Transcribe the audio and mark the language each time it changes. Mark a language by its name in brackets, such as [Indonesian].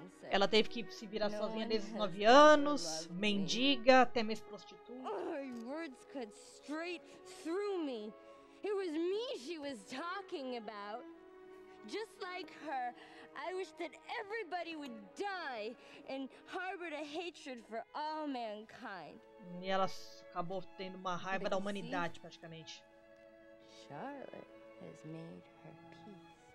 [Portuguese] Ela teve que se virar sozinha desde os 9 anos, mendiga, até mesmo prostituta. [English] My words cut straight through me. It was me she was talking about. Just like her. I wish that everybody would die and harbor a hatred for all mankind. [Portuguese] E ela acabou tendo uma raiva [English] But [Portuguese] da humanidade, praticamente. [English] Charlotte has made her peace.